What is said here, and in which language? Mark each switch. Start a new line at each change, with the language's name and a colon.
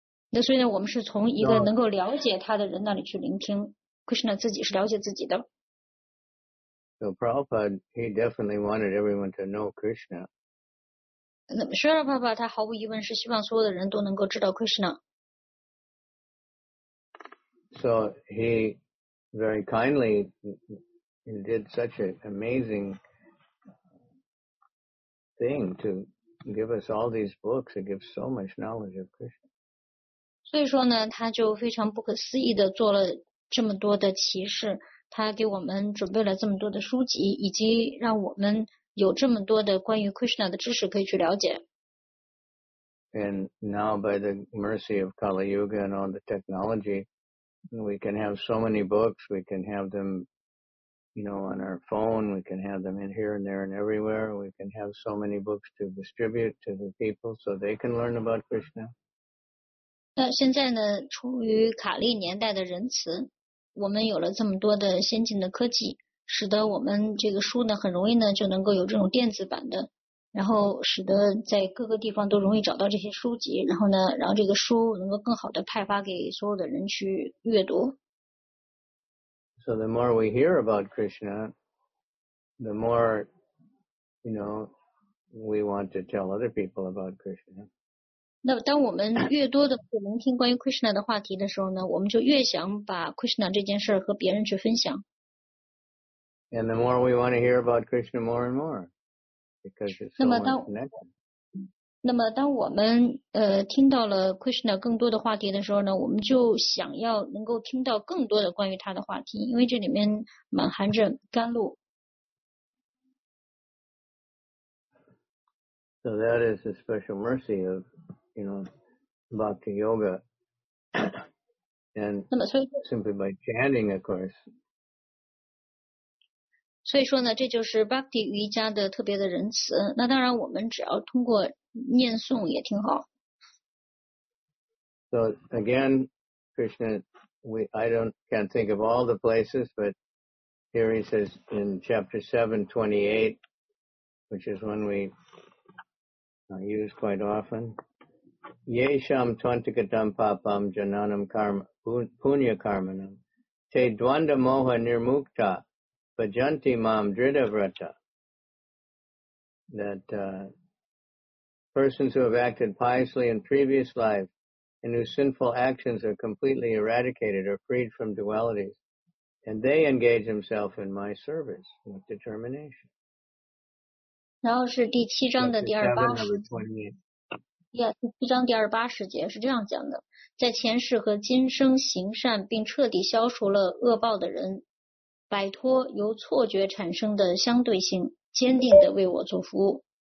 Chinese: 那所以呢我们是从一个能够了解他的人那里去聆听 Krishna 自己是了解自己的。
English: So Prabhupada, he definitely wanted everyone to know Krishna.
Chinese: 那么 Srila Prabhupada 他毫无疑问是希望所有的人都能够知道 Krishna。
English: So he very kindly did such an amazing thing to give us all these books that give so much knowledge of Krishna.
Chinese: 所以说呢他就非常不可思议的做了这么多的启示他给我们准备了这么多的书籍以及让我们有这么多的关于 Krishna 的知识可以去了解。
English: And now by the mercy of Kali Yuga and all the technology, we can have so many books, we can have them, you know, on our phone, we can have them in here and there and everywhere, we can have so many books to distribute to the people so they can learn about Krishna.
Chinese: 那现在呢出于卡利年代的仁慈我们有了这么多的先进的科技使得我们这个书呢很容易呢就能够有这种电子版的然后使得在各个地方都容易找到这些书籍然后这个书能够更好的派发给所有的人去阅读。
English: So the more we hear about Krishna, the more, you know, we want to tell other people about Krishna.
Chinese: 那当我们越多的去聆听关于 Krishna 的话题的时候呢，我们就越想把 Krishna 这件事和别人去分享。
English: And the more we want to hear about Krishna more and more, because it's so connected.
Chinese: 那么当我们听到了 Krishna 更多的话题的时候呢，我们就想要能够听到更多的关于他的话题，因为这里面满含着甘露。
English: So that is a special mercy of. You know, bhakti yoga, and simply by chanting, of course.
Chinese: 所以说呢，这就是 bhakti 瑜伽的特别的仁慈。那当然，我们只要通过念诵也挺好。
English: So again, Krishna, I can't think of all the places, but here he says in chapter 7:28, which is one we use quite often.
Sanskrit: Yesham tantikatam papam jananam karma punya karmanam te dwanda moha nirmukta bhajanti mam dridavrata.
English: That persons who have acted piously in previous life and whose sinful actions are completely eradicated are freed from dualities. And they engage himself in my service with determination.
Chinese: 然后是第七章的第二八十节。第七章第二八十节是这样讲的，在前世和今生行善并彻底消除了恶报的人，摆脱由错觉产生的相对性，坚定地为我做服务。